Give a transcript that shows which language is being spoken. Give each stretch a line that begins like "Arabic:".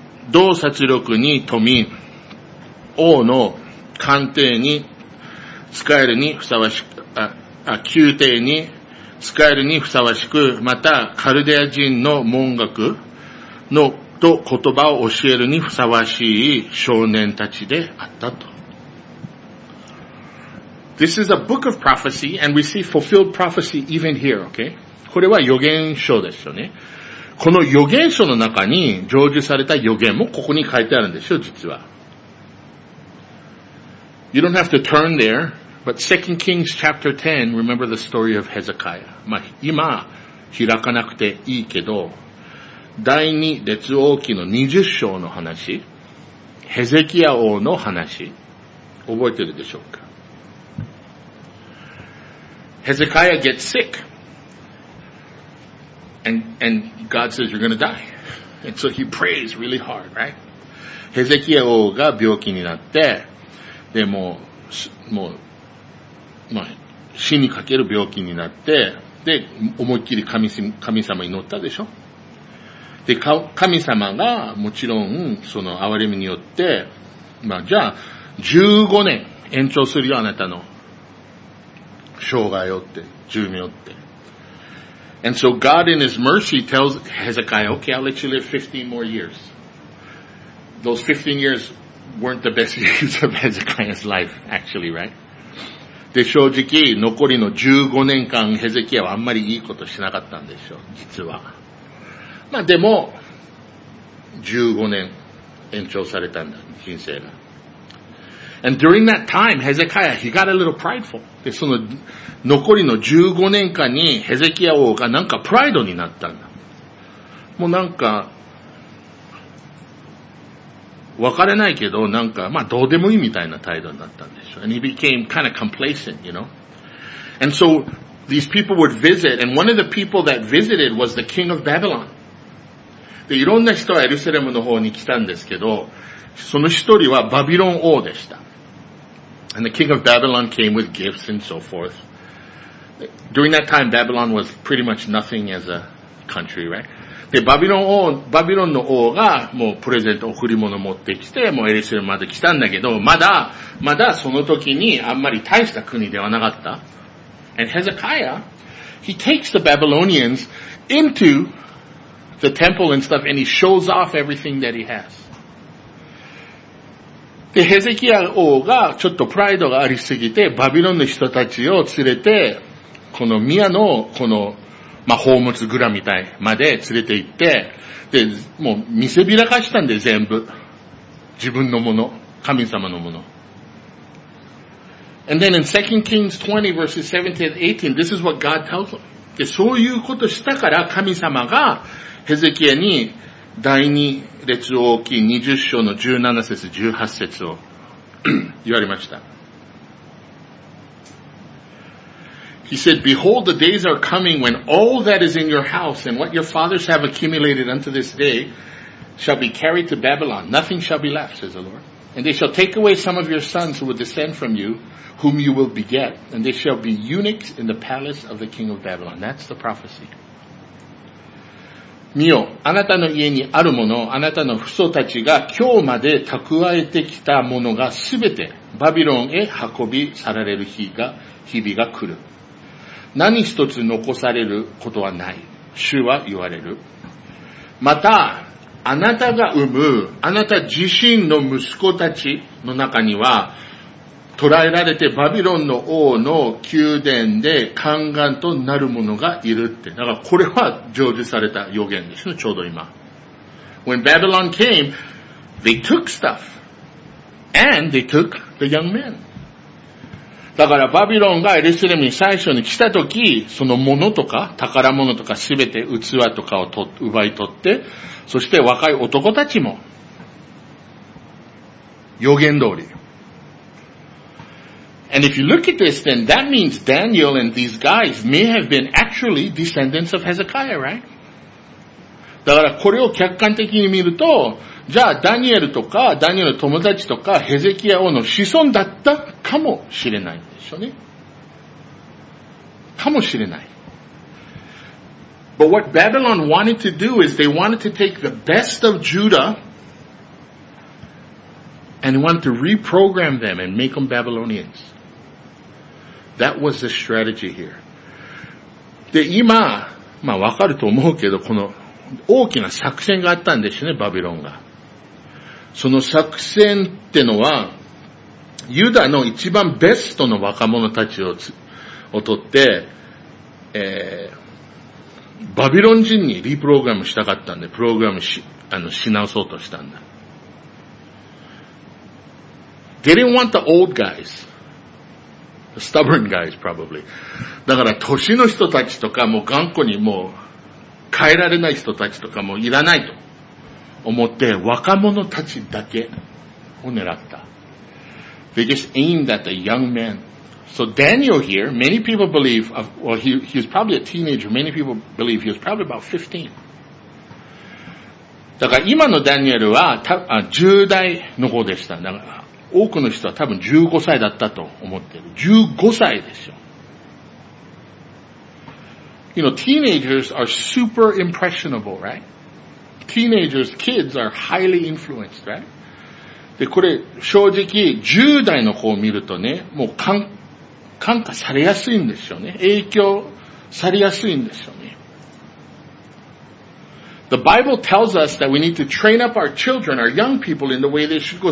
Japanese: 洞察力に富み、王の官邸に使えるにふさわしく、宮廷に使えるにふさわしく、またカルデア人の文学のと言葉を教えるにふさわしい少年たちであったと。
English: This is a book of prophecy, and we see fulfilled prophecy even here, okay?
Japanese: これは予言書ですよね。この予言書の中に成就された予言もここに書いてあるんですよ、実は。
English: You don't have to turn there, but 2 Kings chapter 10, remember the story of Hezekiah.
Japanese: まあ、今、開かなくていいけど、第2列王記の20章の話、ヘゼキヤ王の話、覚えてるでしょうか？
English: Hezekiah gets sick. And God says, you're gonna die. And so he prays really hard, right?
Japanese: Hezekiah 王が病気になって、で、もう死にかける病気になって、で、思いっきり神様祈ったでしょ？で、神様がもちろん、その憐れみによって、まあ、じゃあ、15年延長するよ、あなたの。生涯よって、寿命よって。
English: And so God in His mercy tells Hezekiah, okay, I'll let you live 15 more years. Those 15 years weren't the best years of Hezekiah's life, actually, right?
Japanese: で、正直、残りの15年間、ヘゼキヤはあんまりいいことしなかったんでしょう、実は。まあでも、15年延長されたんだ、人生が。
English: And during that time, Hezekiah, he got a little prideful.
Japanese: で、その残りの15年間に、ヘゼキヤ王がなんかプライドになったんだ。もうなんか、わからないけど、なんか、まあどうでもいいみたいな態度になったんでしょ。
English: And he became kind of complacent, you know? And so, these people would visit, and one of the people that visited was the king of Babylon.
Japanese: で、いろんな人はエルサレムの方に来たんですけど、その一人はバビロン王でした。
English: And the king of Babylon came with gifts and so forth. During that time, Babylon was pretty much nothing as a country, right?
Japanese: で、バビロンの王がもうプレゼント贈り物持ってきて、もうエルサレムまで来たんだけど、まだその時にあんまり大した国ではなかった。
English: And Hezekiah, he takes the Babylonians into the temple and stuff, and he shows off everything that he has.
Japanese: で、ヘゼキヤ王がちょっとプライドがありすぎて、バビロンの人たちを連れて、この宮のこの、まあ、宝物蔵みたいまで連れて行って、で、もう見せびらかしたんで全部。自分のもの、神様のもの。
English: And then in 2 Kings 20 verses 17 and 18, this is what God tells him.
Japanese: で、そういうことしたから神様がヘゼキヤに第二列王記20章の17節18節を言われました。
English: He said, Behold, the days are coming when all that is in your house and what your fathers have accumulated unto this day shall be carried to Babylon. Nothing shall be left, says the Lord. And they shall take away some of your sons who will descend from you, whom you will beget, and they shall be eunuchs in the palace of the king of Babylon. That's the prophecy.
Japanese: 見よ、あなたの家にあるもの、あなたの父祖たちが今日まで蓄えてきたものがすべてバビロンへ運び去られる日々が来る。何一つ残されることはない。主は言われる。また、あなたが産む、あなた自身の息子たちの中には、捕らえられてバビロンの王の宮殿で宦官となる者がいるって。だからこれは成就された予言ですね、ちょうど今。
English: When Babylon came, they took stuff. And they took the young men.
Japanese: だからバビロンがエルサレムに最初に来た時、その物とか宝物とかすべて器とかを奪い取って、そして若い男たちも、予言通り。
English: And if you look at this, then that means Daniel and these guys may have been actually descendants of Hezekiah, right?
Japanese: だからこれを客観的に見ると、じゃあダニエルとかダニエルの友達とかヘゼキヤ王の子孫だったかもしれないでしょうね。かもしれない。
English: But what Babylon wanted to do is they wanted to take the best of Judah and wanted to reprogram them and make them Babylonians. That was the strategy here.
Japanese: で、今、まあ分かると思うけど、この大きな作戦があったんですよね、バビロンが。その作戦ってのは、ユダの一番ベストの若者たちを取って、バビロン人にリプログラムしたかったんで、プログラムし直そうとしたんだ。
English: They didn't want the old guys. Stubborn guys, probably.
Japanese: だから、歳の人たちとか、もう頑固にもう、変えられない人たちとかもいらないと思って、若者たちだけを狙った。
English: They just aimed at the young men. So Daniel here, many people believe, he was probably a teenager, many people believe he was probably about 15.
Japanese: だから、今のダニエルは、10代の子でした。だから多くの人は多分15歳だったと思ってる。 15歳ですよ。
English: You know, teenagers are super impressionable, right? Teenagers, kids are highly influenced, right?
Japanese: で、これ、正直、10代の子を見るとね、もう感化されやすいんですよね。影響されやすいんですよね。
English: The Bible tells us that we need to train up our children, our young people in the way they should go.